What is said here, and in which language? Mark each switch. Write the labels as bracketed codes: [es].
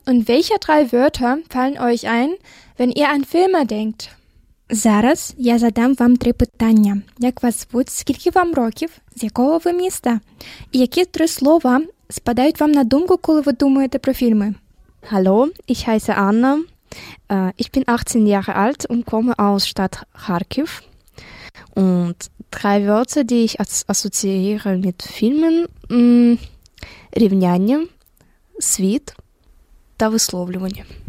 [de] Und welche drei Wörter fallen euch ein, wenn ihr an Filme denkt? [uk] Зараз я задам вам три питання. Як вас звуть? Скільки вам років? З якого ви міста? І які три слова спадають вам на думку, коли ви думаєте про фільми? [de] Hallo, ich heiße Anna. Ich bin 18 Jahre alt und komme aus Stadt Kharkiv. Und drei Wörter, die ich assoziiere mit Filmen, [uk] рівняння, світ та висловлювання.